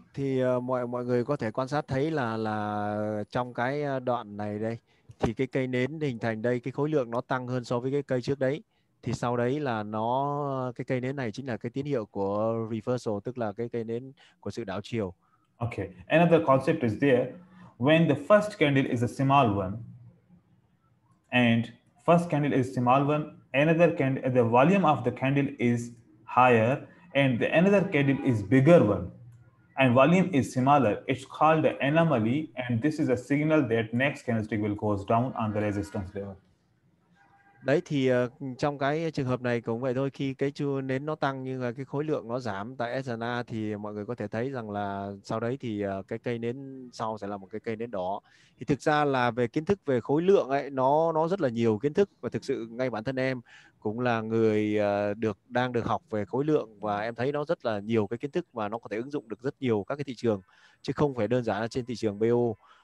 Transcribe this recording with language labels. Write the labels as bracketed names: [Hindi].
[Vietnamese] Thì mọi người có thể quan sát thấy là trong cái đoạn này đây thì cái cây nến hình thành đây, cái khối lượng nó tăng hơn so với cái cây trước đấy, thì sau đấy là nó cái cây nến này chính là cái tín hiệu của reversal, tức là cái cây nến của sự đảo chiều. [English] Okay, another concept is there when the first candle is a small one and first candle is small one, another candle, the volume of the candle is higher and the another candle is bigger one and volume is similar, it's called the anomaly, and this is a signal that next candlestick will close down on the resistance level. [Vietnamese] Đấy thì trong cái trường hợp này cũng vậy thôi, khi cái chu nến nó tăng nhưng cái khối lượng nó giảm tại SNA thì mọi người có thể thấy rằng là sau đấy thì cái cây nến sau sẽ là một cái cây nến đỏ. Thì thực ra là về kiến thức về khối lượng ấy, nó rất là nhiều kiến thức, và thực sự ngay bản thân em cũng là người đang được học về khối lượng, và em thấy nó rất là nhiều cái kiến thức và nó có thể ứng dụng được rất nhiều các cái thị trường, chứ không phải đơn giản là trên thị trường BO.